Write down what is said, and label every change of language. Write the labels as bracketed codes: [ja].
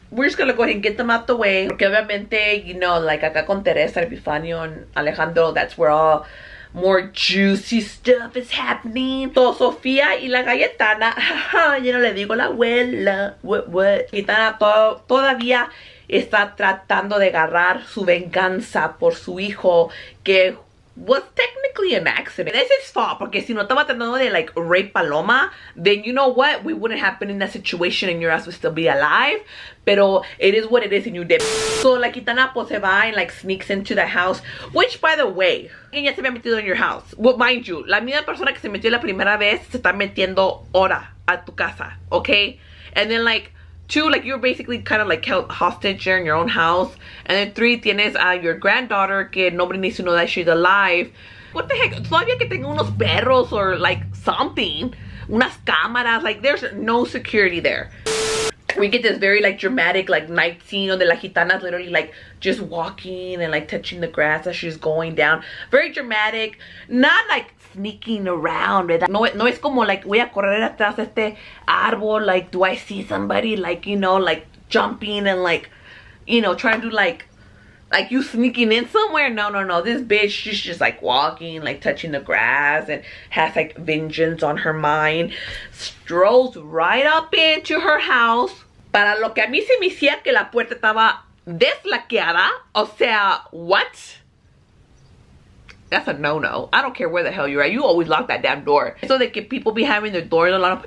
[en] We're just gonna go ahead and get them out the way. [es] Porque obviamente, [en] you know, like [es] acá con [en] Teresa, Epifanio, and Alejandro, that's where all more juicy stuff is happening. [es] So, Sofía y la Galletana. Yo no le digo la abuela. What? Galletana todavía está tratando de agarrar su venganza por su hijo que [en] was technically an accident. This is fault, [es] porque si no estaba tratando de, [en] like, rape Paloma, then you know what? We wouldn't have been in that situation and your ass would still be alive. Pero it is what it is and you did. So, la Kitana, [es] pues, se va [en] and, like, sneaks into the house. Which, by the way, [es] ella se había metido [en] in your house. Well, mind you, [es] la misma persona que se metió la primera vez se está metiendo ahora a tu casa, okay? [en] And then, like, two, like, you're basically kind of, like, held hostage here in your own house. And then three, [es] tienes a [en] your granddaughter, que nobody needs to know that she's alive. What the heck? [es] Todavía que tenga unos perros [en] or, like, something. [es] Unas cámaras. [en] Like, there's no security there. We get this very, like, dramatic, like, night scene [es] donde [en] la Gitana's literally, like, just walking and, like, touching the grass as she's going down. Very dramatic. Not, like, sneaking around, ¿verdad? [es] No es como, [en] like, [es] voy a correr atrás de este árbol, [en] like, do I see somebody, like, you know, like, jumping and, like, you know, trying to, like, you sneaking in somewhere? No. This bitch, she's just, like, walking, like, touching the grass and has, like, vengeance on her mind. Strolls right up into her house. [es] Para lo que a mí se me hacía que la puerta estaba deslaqueada. O sea, [en] what? That's a no-no. I don't care where the hell you're at. You always lock that damn door. So they can people be having their doors a lot.